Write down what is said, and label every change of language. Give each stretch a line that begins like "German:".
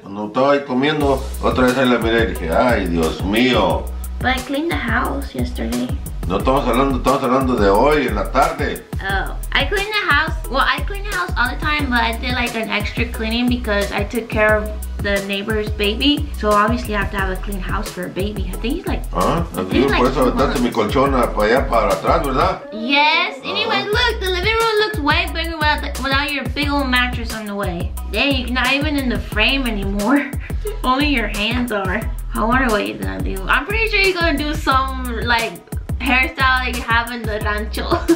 Spanish: Cuando estaba ahí comiendo, otra vez ahí la miré y dije, ay, Dios mío.
English: But I cleaned the house yesterday.
Spanish: No estamos hablando de hoy, en la tarde.
English: Oh, I cleaned the house. Well, I clean the house all the time, but I did like an extra cleaning because I took care of the neighbor's baby. So obviously I have to have a clean house for a baby. I think he's like, ¿ah?
Spanish: Por eso aventaste mi colchona para allá para atrás, ¿verdad?
English: Yes. Anyway, look, the living room looks way bigger without your big old mattress on the way. Dang, you're not even in the frame anymore. Only your hands are. I wonder what you're gonna do. I'm pretty sure you're gonna do some like hairstyle that you have in the rancho.